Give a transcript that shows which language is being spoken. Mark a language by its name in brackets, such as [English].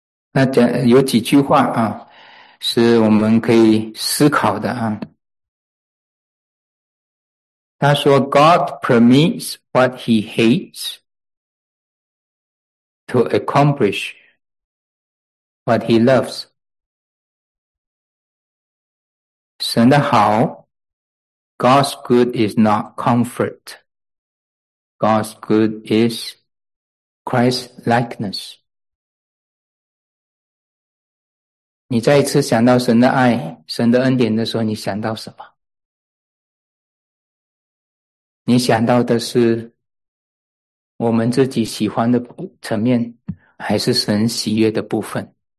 [Chinese] 那讲有几句话啊，是我们可以思考的啊。他说 [English] God permits what he hates to accomplish what he loves. [Chinese] 神的好， [English] God's good is not comfort. God's good is Christ's likeness. [Chinese] 你再一次想到神的爱，神的恩典的时候，你想到什么？你想到的是我们自己喜欢的层面，还是神喜悦的部分？